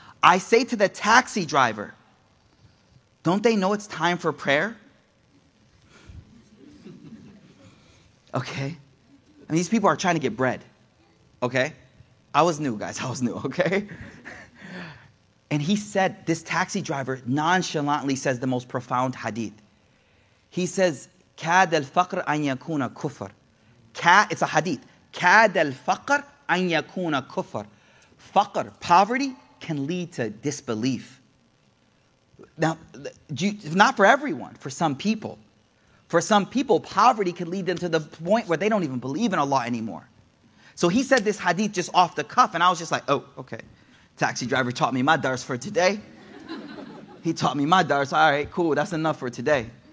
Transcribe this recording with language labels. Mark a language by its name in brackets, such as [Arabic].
[English] I say to the taxi driver, don't they know it's time for prayer? Okay. I mean, these people are trying to get bread. Okay. I was new, guys. I was new. Okay. And he said, this taxi driver nonchalantly says the most profound hadith. [Arabic] He says, كاد الفقر أن يكون كفر. [English] It's a hadith. [Arabic] كاد الفقر أن يكون كفر. [English] Faqr, poverty, can lead to disbelief. Now, not for everyone, for some people. For some people, poverty can lead them to the point where they don't even believe in Allah anymore. So he said this hadith just off the cuff, and I was just like, oh, okay. Taxi driver taught me my dars for today. He taught me my dars. All right, cool. That's enough for today.